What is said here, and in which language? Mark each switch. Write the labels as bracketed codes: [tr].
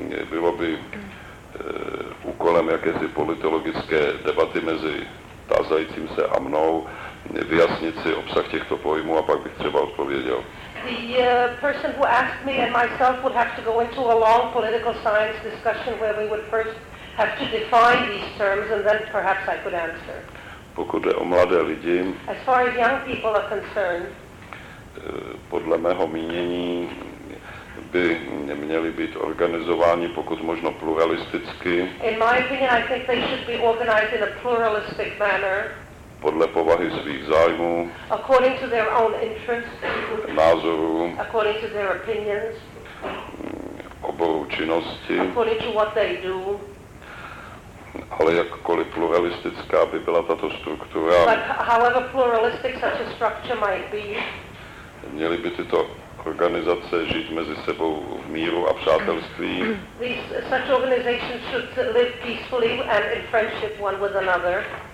[cs] Bylo by úkolem jakési politologické debaty mezi tázajícím se a mnou vyjasnit si obsah těchto pojmů a pak bych třeba odpověděl. [en] The person who asked me and myself would have to go into a long political science discussion where we would first have to define these terms and then perhaps I could answer. [cs] Pokud jde o mladé lidi, [en] as far as young people are concerned, [cs] podle mého mínění by měli být organizováni pokud možno pluralisticky. [en] In my opinion, I think they should be organized in a pluralistic manner. [cs] Podle povahy svých zájmů. [en] According to their own interests. [cs] Názorů. [en] According to their opinions. [cs] Oborů činnosti. [en] According to what they do. [cs] Ale jakkoliv pluralistická by byla tato struktura. [en] But however pluralistic such a structure might be. [cs] Měli by tyto organizace žít mezi sebou v míru a přátelství. [en] Such organizations should live peacefully and in friendship one with another.